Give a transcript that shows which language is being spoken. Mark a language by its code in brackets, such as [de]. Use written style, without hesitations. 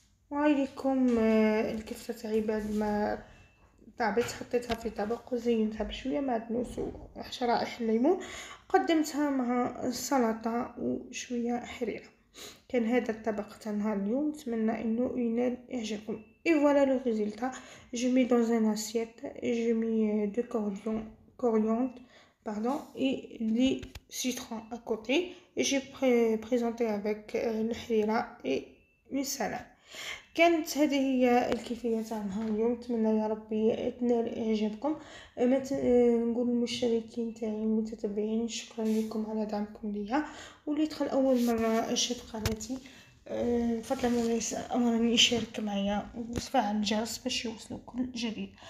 [ar] وعليكم الكفته تاعي بعد ما طابت حطيتها في طبق وزينتها بشويه معدنوس وشرائح الليمون، قدمتها مع السلطه وشويه حريره. كان هذا الطبق تاع نهار اليوم، نتمنى انه ينال اعجابكم. [fr] Et voilà le résultat. Je mets dans une assiette, je mets deux coriandre, pardon, et les citrons à côté. Et j'ai présenté avec le harira et une salade. [ar] كانت هذه هي الكيفية تاع نهار اليوم، نتمنى يا ربي تنال إعجابكم. نقول للمشتركين تاعي المتتبعين شكرا لكم على دعمكم ليا، واللي يدخل أول مرة يشاهد قناتي فضلا من أمر أن يشارك معايا وفعل الجرس باش يوصلوا كل جديد.